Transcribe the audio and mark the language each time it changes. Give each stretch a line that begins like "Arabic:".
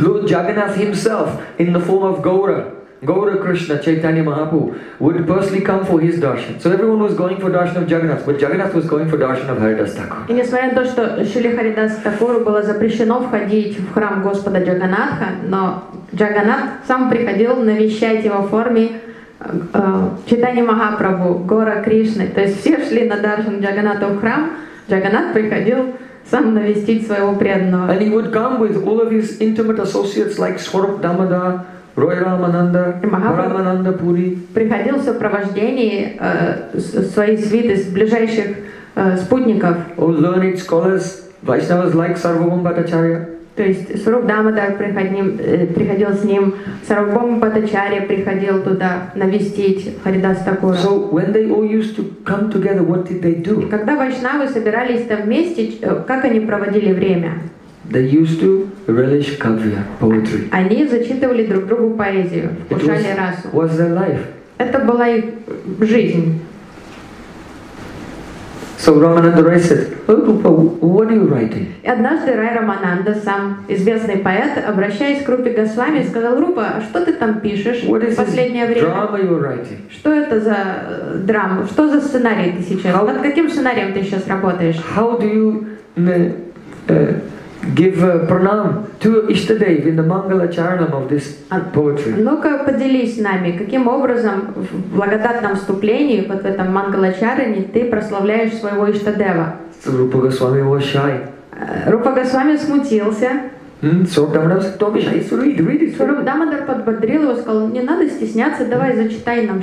English: Lord Jagannath himself, in the form of Gaura Krishna, Chaitanya Mahaprabhu, would personally come for his darshan. So everyone was going for darshan of Jagannath, but Jagannath was going for darshan of Haridas Thakur.
Russian: И несмотря на то, что Шили Харидас Такуру было запрещено входить в храм Господа Джаганатха, но Джаганат сам приходил навещать его в форме Читани Махапрабху, Гора Кришны. То есть все шли на даршан Джаганату в храм, Джаганат приходил сам навестить своего преданного.
English: And he would come with all of his intimate associates like Swarup Damodar, Roy Ramananda, Ramananda Puri.
Russian: Приходил в сопровождении своей свиты, ближайших спутников.
English: All learned scholars, Vaishnavas like Sarvabhaum Bhattacharya.
Russian: То есть Сруб Дамадар приходил с ним, Сарвабхаум Бхаттачарья приходил туда навестить Харидас Такура.
English: So when they all used to come together, what did they do?
Russian: Когда вайшнавы собирались там вместе, как они проводили время?
English: They used to relish kavya, poetry.
Russian: Они зачитывали друг другу поэзию, вкушали расу.
English: Was their life.
Russian: Это была их жизнь.
English: So Ramananda Rai said, "Oh, Rupa, what are you writing?"
Russian: Однажды Рай Рамананда, сам известный поэт, обращаясь к Рупе Госвами, сказал: "Рупа, а что ты там пишешь в последнее время?
English: What is this drama you're writing?
Russian: Что это за драма? Что за сценарий ты сейчас? Над каким сценарием ты сейчас работаешь?
English: How do you give pranam to Ishtadev in the Mangalacharanam of this poetry?"
Russian: Ну-ка, поделись с нами, каким образом в благодатном вступлении, вот в этом Мангалачаране, ты прославляешь своего Иштадева?
English: Рупа Госвами was shy.
Russian: Рупа Госвами смутился. Сурдамадар подбодрил его, сказал: "Не надо стесняться, давай зачитай нам